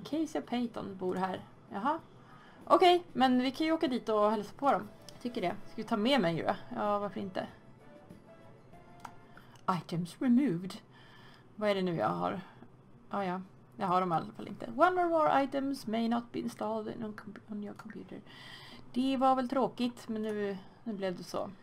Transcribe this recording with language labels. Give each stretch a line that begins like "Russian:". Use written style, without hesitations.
Swedish: Casey och Peyton bor här. Jaha. Okej, men vi kan ju åka dit och hälsa på dem. Jag tycker det. Ska vi ta med mig ju? Ja, varför inte?
English: Items removed.
Swedish: Vad är det nu jag har? Ah, ja. Jag har dem i alla fall inte.
English: One or more items may not be installed on your computer.
Swedish: Det var väl tråkigt, men nu blev det så.